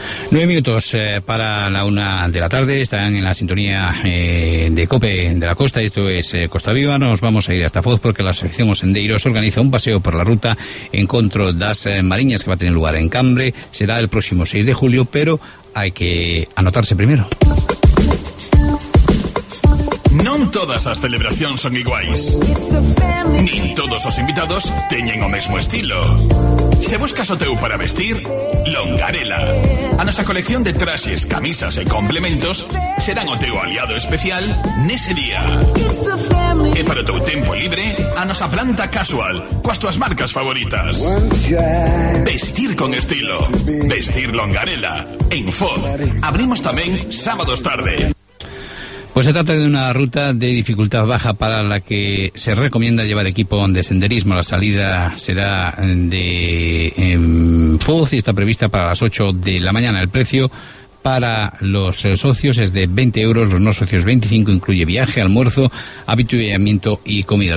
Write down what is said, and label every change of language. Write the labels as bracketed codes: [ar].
[es] Nueve minutos para la una de la tarde. Están en la sintonía de COPE de la Costa. Esto es Costa Viva. Nos vamos a ir hasta Foz porque la Asociación Sendeiros organiza un paseo por la ruta Encontro das Mariñas, que va a tener lugar en Cambre. Será el próximo 6 de julio, pero hay que anotarse primero. [gl] Non todas as celebracións son iguais. Nin todos os invitados teñen o mesmo estilo. Se buscas o teu para vestir, Longarela. A nosa colección de traxes, camisas e complementos serán o teu aliado especial nese día. E para o teu tempo libre, a nosa planta casual, coas túas marcas favoritas. Vestir con estilo. Vestir Longarela. En Foz, abrimos tamén sábados tarde. [es] Pues se trata de una ruta de dificultad baja para la que se recomienda llevar equipo de senderismo. La salida será de Foz y está prevista para las 8 de la mañana. El precio para los socios es de 20 euros, los no socios 25, incluye viaje, almuerzo, habituallamiento y comida.